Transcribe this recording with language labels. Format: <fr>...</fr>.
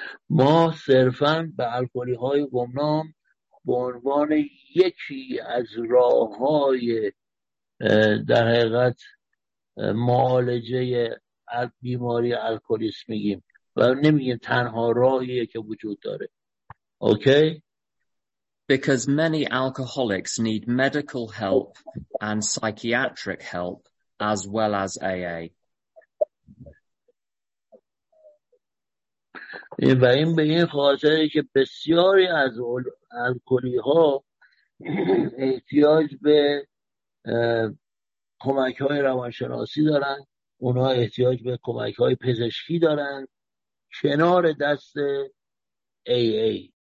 <fa>ما صرفاً به الکلی‌های گمنام به عنوان یکی از راه‌های در حقیقت معالجه بیماری الکلیسم میگیم و نمیگیم تنها راهیه که وجود داره.</fa> <en>Okay? Because many alcoholics need medical help and psychiatric help as well as AA.</en> <fa>و این به این خاطره که بسیاری از الکلی ها احتیاج به کمک های روانشناسی دارن، اونا احتیاج به کمک های پزشکی دارن کنار دست AA.</fa>